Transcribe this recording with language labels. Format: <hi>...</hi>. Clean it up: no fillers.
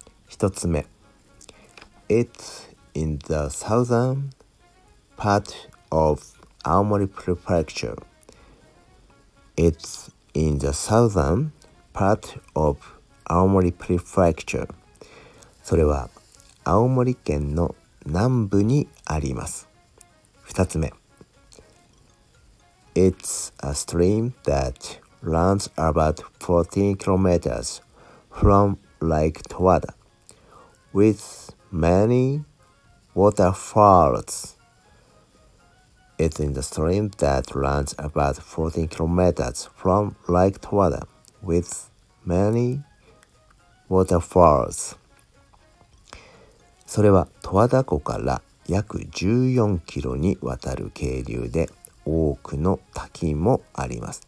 <ja>1つ目、</ja> <en>It's in the southern part of 青森 prefecture. It's in the southern part of 青森 prefecture.</en> <ja>それは青森県の南部にあります。 2つ目、</ja> <en>It's a stream that runs about 14 kilometers from Lake Towada with many waterfalls. It's in the stream that runs about 14 kilometers from Lake Towada with many waterfalls.</en> <ja>それは十和田湖から約14キロにわたる渓流で多くの滝もあります。</ja>